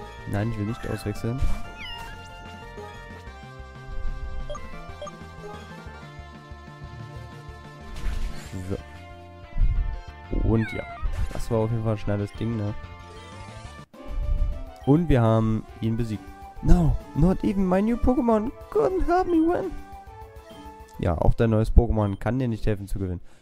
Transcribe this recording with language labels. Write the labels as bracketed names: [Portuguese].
[German] Nein, ich will nicht auswechseln. So. Und ja. Das war auf jeden Fall ein schnelles Ding, ne? Und wir haben ihn besiegt. [English] No, not even my new Pokémon couldn't help me win. [German] Ja, auch dein neues Pokémon kann dir nicht helfen zu gewinnen.